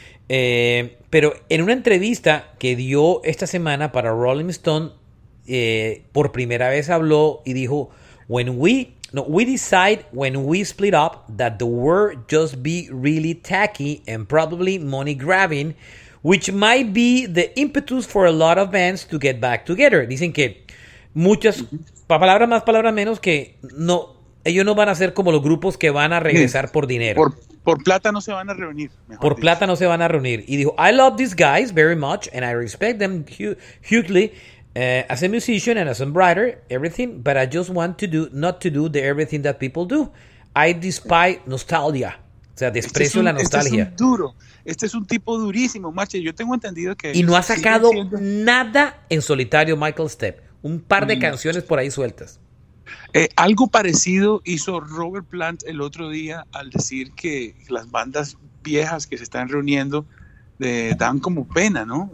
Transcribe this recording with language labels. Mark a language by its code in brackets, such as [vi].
[es] Pero en una entrevista que dio esta semana para Rolling Stone, por primera vez habló y dijo, [en] we decide when we split up that the world just be really tacky and probably money grabbing, which might be the impetus for a lot of bands to get back together. [es] Dicen que muchas, palabras más, palabras menos, que no, ellos no van a ser como los grupos que van a regresar por dinero. Por plata no se van a reunir. Plata no se van a reunir. Y dijo, [en] I love these guys very much and I respect them hugely as a musician and as a writer, everything, but I just want to do, not to do the everything that people do. I despise nostalgia. [es] O sea, desprecio la nostalgia. Este es un duro. Este es un tipo durísimo, Marche. Yo tengo entendido que... Y no ha sacado nada en solitario Michael Stipe. Un par de canciones por ahí sueltas. Algo parecido hizo Robert Plant el otro día al decir que las bandas viejas que se están reuniendo dan como pena, ¿no?